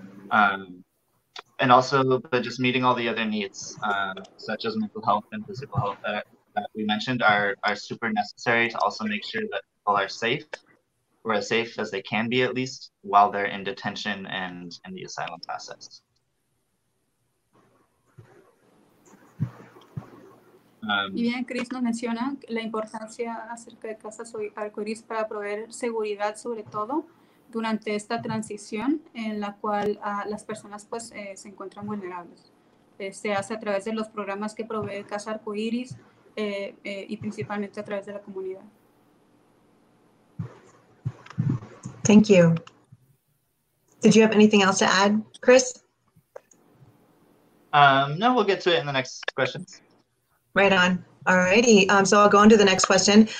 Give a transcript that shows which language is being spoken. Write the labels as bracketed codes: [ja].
[en] And also, but just meeting all the other needs, such as mental health and physical health that we mentioned, are super necessary to also make sure that people are safe, or as safe as they can be at least, while they're in detention and in the asylum process. [es] Y bien, Chris nos menciona la importancia acerca de Casa Arcoiris para proveer seguridad, sobre todo durante esta transición en la cual las personas pues se encuentran vulnerables. Se hace a través de los programas que provee Casa Arcoiris y principalmente a través de la comunidad. [en] Thank you. Did you have anything else to add, Chris? No, we'll get to it in the next questions. Right on. All righty. So I'll go on to the next question.